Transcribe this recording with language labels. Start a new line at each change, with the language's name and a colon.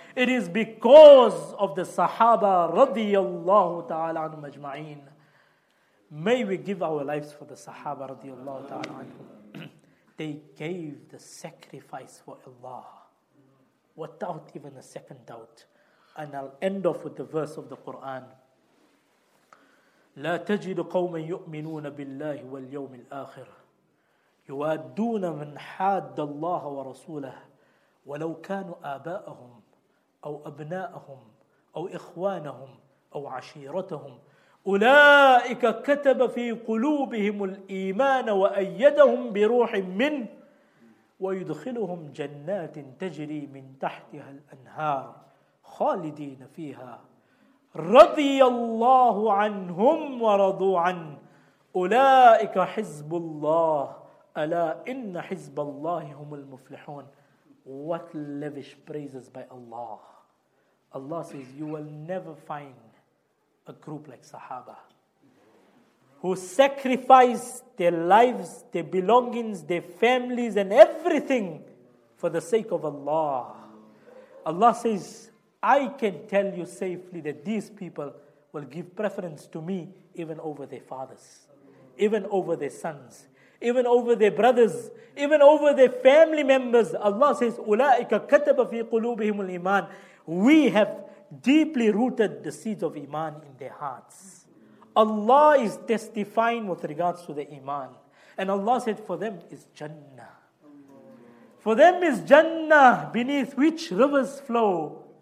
English: It is because of the Sahaba, radiyallahu ta'ala anhum ajma'in. May we give our lives for the Sahaba, radiyallahu ta'ala anhum. They gave the sacrifice for Allah without even a second doubt. And I'll end off with the verse of the Quran.
Arabic: لا تجد قوما يؤمنون بالله واليوم الآخر يوادون من حاد الله ورسوله ولو كانوا آباءهم أو أبناءهم أو إخوانهم أو عشيرتهم أولئك كتب في قلوبهم الإيمان وأيدهم بروح منه ويدخلهم جنات تجري من تحتها الأنهار خالدين فيها رضي الله عنهم ورضوا عنه أولئك حزب الله أَلَا إِنَّ حِزْبَ اللَّهِ هُمُ الْمُفْلِحُونَ.
English: What lavish praises by Allah. Allah says, you will never find a group like Sahaba who sacrifice their lives, their belongings, their families and everything for the sake of Allah. Allah says, I can tell you safely that these people will give preference to me even over their fathers, even over their sons, even over their brothers, even over their family members. Allah says,
Arabic: أُولَٰئِكَ كَتَبَ فِي قُلُوبِهِمُ الْإِيمَانِ.
English: We have deeply rooted the seeds of Iman in their hearts. Allah is testifying with regards to the Iman. And Allah said, for them is Jannah. For them is Jannah, beneath which rivers flow.